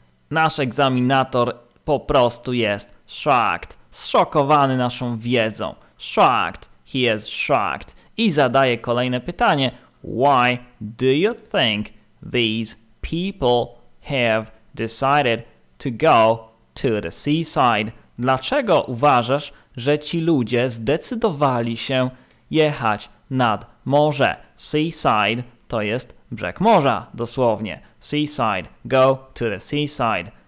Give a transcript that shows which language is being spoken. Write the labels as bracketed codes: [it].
[pl] Nasz egzaminator po prostu jest [en] shocked, [pl] zszokowany naszą wiedzą, shocked, [en] he is shocked, [pl] i zadaje kolejne pytanie. [en] Why do you think these people have decided to go to the seaside? [pl] Dlaczego uważasz, że ci ludzie zdecydowali się jechać nad morze? Seaside to jest brzeg morza, dosłownie. [en] Seaside, go to the seaside.